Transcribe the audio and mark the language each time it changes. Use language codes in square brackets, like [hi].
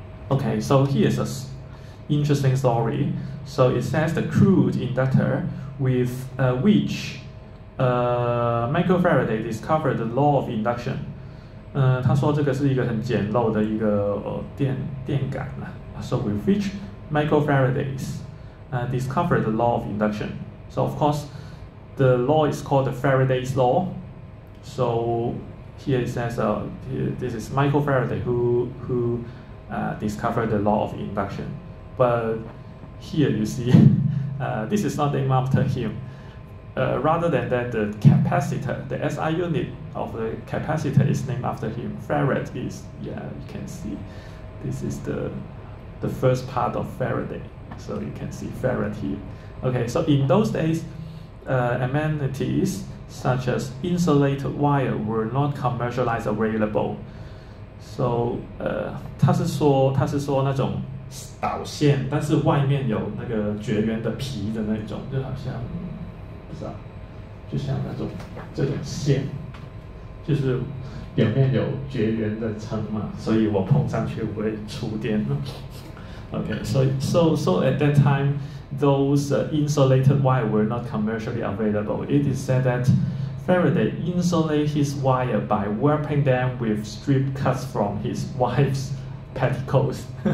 [en] Okay, so here's an interesting story. So it says the crude inductor with which Michael Faraday discovered the law of induction. [zh] 他说这个是一个很简陋的一个电感啦。 [en] So with which Michael Faraday discovered the law of induction. So of course, the law is called the Faraday's law. So here it says this is Michael Faraday who discovered the law of induction. But here you see, this is not named after him. Rather than that, the capacitor, the SI unit of the capacitor is named after him. Farad is, yeah, you can see, this is the first part of Faraday. So you can see Farad here. Okay, so in those days, amenities such as insulated wire were not commercialized available. [zh] So, 他是说那种导线，但是外面有那个绝缘的皮的那种，就好像不知道，就像那种这种线，就是表面有绝缘的层嘛，所以我碰上去不会触电。 [en] Okay, so at that time, those insulated wire were not commercially available. It is said that Faraday insulated his wire by wrapping them with strip cuts from his wife's petticoats.